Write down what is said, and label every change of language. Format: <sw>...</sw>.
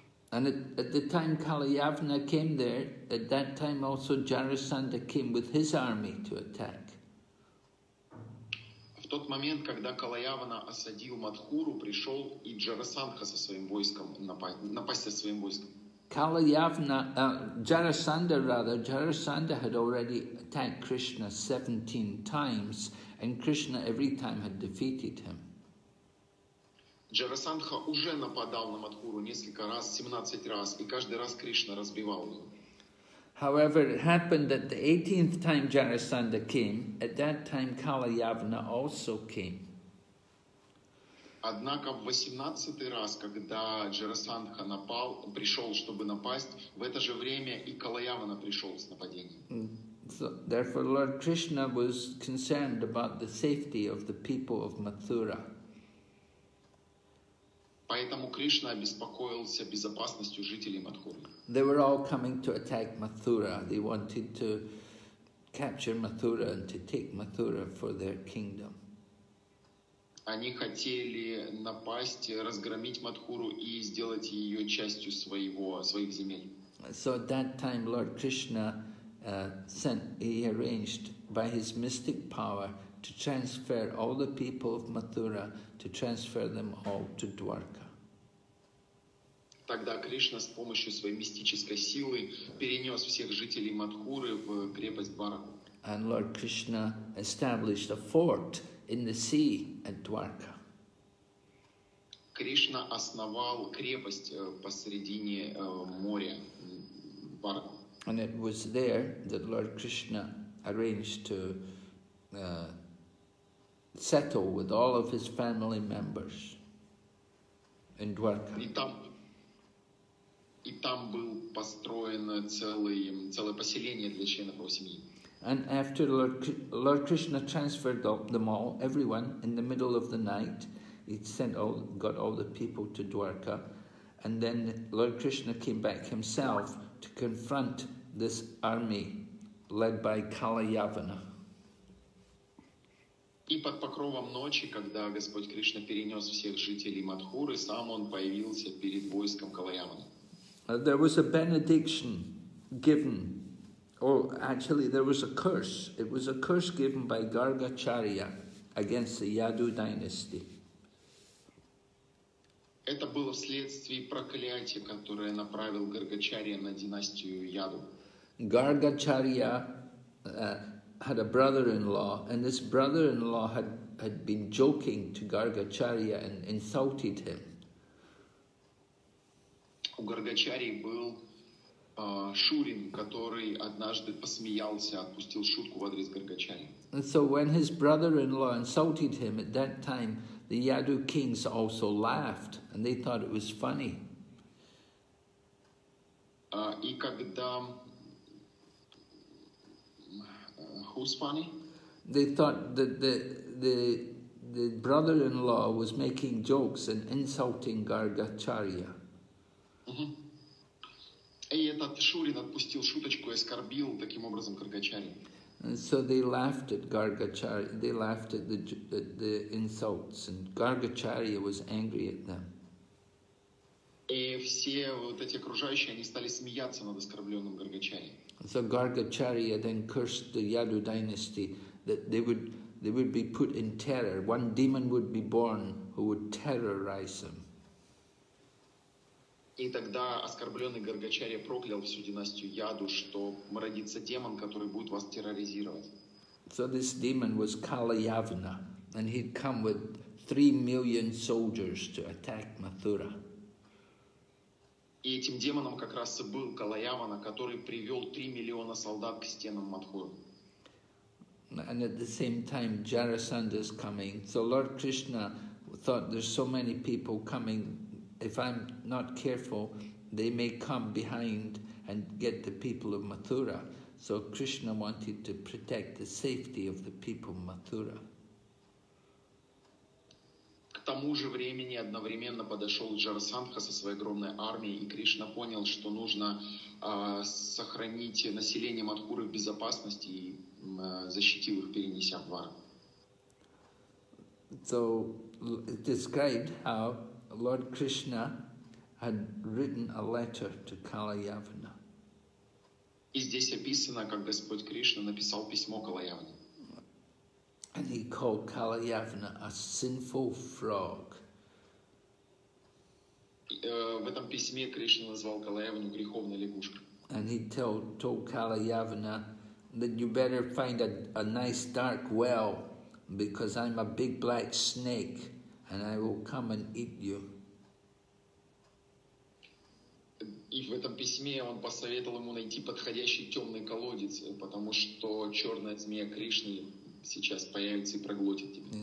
<en>And at the time Kalayavana came there, at that time also Jarasandha came with his army to attack.</en> <ru>В тот момент, когда Калаявана осадил Мадхуру, пришел и Джарасандха со своим войском напасть со своим войском.</ru> <en>Jarasandha had already attacked Krishna 17 times, and Krishna every time had defeated him.</en> <ru>Джарасандха уже нападал на Мадхуру несколько раз, 17 раз, и каждый раз Кришна разбивал его.</ru> <en>However, it happened that the 18th time Jarasandha came, at that time Kalayavana also came.</en> <ru>Однако в 18-й раз, когда Джарасандха напал, пришел, чтобы напасть, в это же время и Калаявана пришел с нападением.</ru> <en>So, therefore, Lord Krishna was concerned about the safety of the people of Mathura.</en> <ru>Поэтому Кришна обеспокоился безопасностью жителей Мадхуры.</ru> <en>They were all coming to attack Mathura. They wanted to capture Mathura and to take Mathura for their kingdom.</en> <ru>Они хотели напасть, разгромить Мадхуру и сделать ее частью своих земель.</ru> <en>So at that time Lord Krishna arranged by his mystic power to transfer all the people of Mathura, to transfer them all to Dwarka.</en> <ru>Тогда Кришна с помощью своей мистической силы перенес всех жителей Мадхуры в крепость Дварка.</ru> <en>And Lord Krishna established a fort in the sea at Dwarka.</en> <ru>Кришна основал крепость посредине моря Дварка.</ru> <en>And it was there that Lord Krishna arranged to settle with all of his family members in Dwarka.</en> <ru>И там был построен целое поселение для членов его семьи.</ru> <en>And after Lord Krishna transferred them all, everyone, in the middle of the night, he got all the people to Dwarka, and then Lord Krishna came back himself to confront this army led by Kalayavana.</en> <ru>И под покровом ночи, когда Господь Кришна перенес всех жителей Мадхуры, сам он появился перед войском Калаявана.</ru> <en>There was a benediction given. Oh, actually, there was a curse. It was a curse given by Gargacharya against the Yadu dynasty.</en> <ru>Это было вследствие проклятия, которое направил Гаргачарья на династию Яду.</ru> <en>Гаргачарья had a brother-in-law, and this brother-in-law had been joking to Гаргачарья and insulted him.</en> <ru>У Гаргачарьи был шурин, который однажды посмеялся, отпустил шутку в адрес Гаргачарьи.</ru> <en>And so when his brother-in-law insulted him at that time, the Yadu kings also laughed, and they thought it was funny.</en> <ru>И когда...</ru> <en>Who's funny? They thought that the brother-in-law was making jokes and insulting Гаргачарья.</en> <ru>И этот шурин отпустил шуточку и оскорбил таким образом Гаргачарья.</ru> <en>And so they laughed at Gargacharya, they laughed at the insults, and Gargacharya was angry at them.</en> <ru>И все вот эти окружающие, они стали смеяться над оскорбленным Гаргачарьей.</ru> <en>So Gargacharya then cursed the Yadu dynasty that they would be put in terror. One demon would be born who would terrorize them.</en> <ru>И тогда оскорбленный Гаргачарья проклял всю династию Яду, что родится демон, который будет вас терроризировать.</ru> <en>So this demon was Kalayavana, and he'd come with 3 million soldiers to attack Mathura.</en> <ru>И этим демоном как раз и был Калаявана, который привел 3 миллиона солдат к стенам Матхуры.</ru> <en>And at the same time, Jarasandha is coming. So Lord Krishna thought there's so many people coming. If I'm not careful, they may come behind and get the people of Mathura. So Krishna wanted to protect the safety of the people of Mathura.</en> <ru>К тому же времени одновременно подошел Джарасандха со своей огромной армией, и Кришна понял, что нужно сохранить население Матхуры в безопасности и защитил их, перенеся в вар.</ru> <en>So it described how Lord Krishna had written a letter to Kalayavana.</en> <ru>И здесь описано, как Господь Кришна написал письмо Калаявне.</ru> <en>And he called Kalayavana a sinful frog.</en> <ru>В этом письме Кришна назвал Калаявну греховной лягушкой.</ru> <en>And he told Kalayavana that you better find a nice dark well, because I'm a big black snake and I will come and eat you.</en> <ru>И в этом письме он посоветовал ему найти подходящий темный колодец, потому что черная змея Кришны сейчас появится и проглотит тебя.</ru>